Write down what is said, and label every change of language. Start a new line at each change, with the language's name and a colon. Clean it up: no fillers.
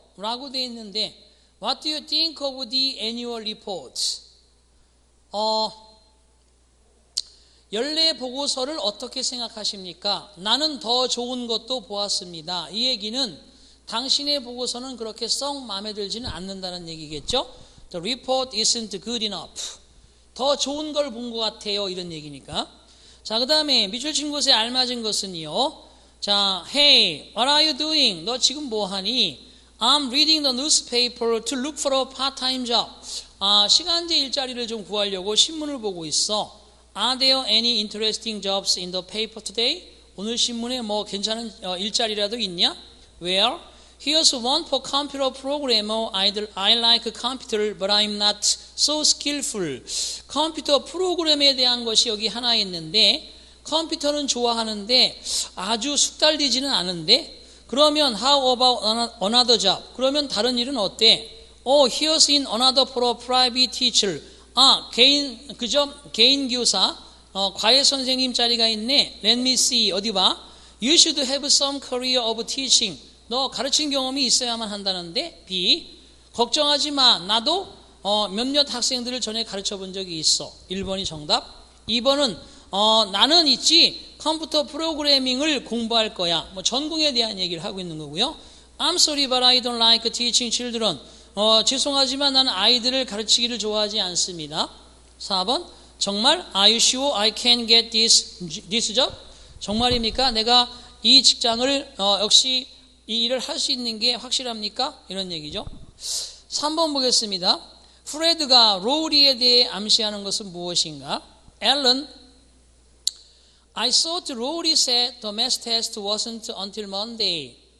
Korean: 라고 되어 있는데,
English: What do you think of the annual report?
Korean: 연례 보고서를 어떻게 생각하십니까? 나는 더 좋은 것도 보았습니다. 이 얘기는 당신의 보고서는 그렇게 썩 마음에 들지는 않는다는 얘기겠죠?
English: The report isn't good enough.
Korean: 더 좋은 걸 본 것 같아요. 이런 얘기니까. 자, 그 다음에 밑줄 친 곳에 알맞은 것은요.
English: 자, Hey, what are you doing?
Korean: 너 지금 뭐 하니?
English: I'm reading the newspaper to look for a part-time job.
Korean: 아, 시간제 일자리를 좀 구하려고 신문을 보고 있어.
English: Are there any interesting jobs in the paper today?
Korean: 오늘 신문에 뭐 괜찮은 일자리라도 있냐?
English: Well, here's one for computer programmer. I like computer, but I'm not so skillful.
Korean: 컴퓨터 프로그램에 대한 것이 여기 하나 있는데, 컴퓨터는 좋아하는데 아주 숙달되지는 않은데, 그러면
English: how about another job?
Korean: 그러면 다른 일은 어때?
English: Oh, here's in another for a private teacher.
Korean: 아, 개인, 그죠? 개인 교사. 과외 선생님 자리가 있네. Let me see. 어디 봐? You should have some career of teaching. 너 가르친 경험이 있어야만 한다는데? B. 걱정하지 마. 나도 몇몇 학생들을 전에 가르쳐 본 적이 있어. 1번이 정답. 2번은 나는 있지. 컴퓨터 프로그래밍을 공부할 거야. 뭐 전공에 대한 얘기를 하고 있는 거고요.
English: I'm sorry, but I don't like teaching children.
Korean: 죄송하지만 나는 아이들을 가르치기를 좋아하지 않습니다. 4번, 정말?
English: Are you sure I can get this job?
Korean: 정말입니까? 내가 이 직장을 역시 이 일을 할 수 있는 게 확실합니까? 이런 얘기죠. 3번 보겠습니다. 프레드가 로리에 대해 암시하는 것은 무엇인가?
English: 앨런, I thought Rory said the math test wasn't until Monday.